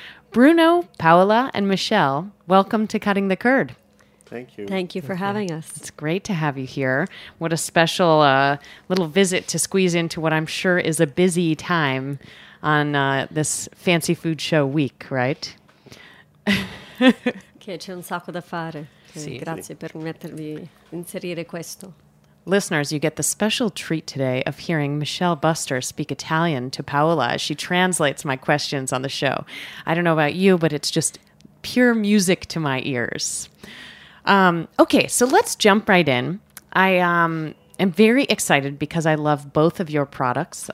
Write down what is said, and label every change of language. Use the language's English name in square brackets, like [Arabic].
[English] Bruno, Paola, and Michelle, welcome to Cutting the Curd. Thank you. Thank you for having us. It's great to have you here. What a special little visit to squeeze into what I'm sure is a busy time on this fancy food show week, right? [Italian] Okay, c'è un sacco da fare. Grazie per mettervi inserire questo. [English] Listeners, you get the special treat today of hearing Michelle Buster speak Italian to Paola as she translates my questions on the show. I don't know about you, but it's just pure music to my ears. Okay, so let's jump right in. I'm very excited because I love both of your products.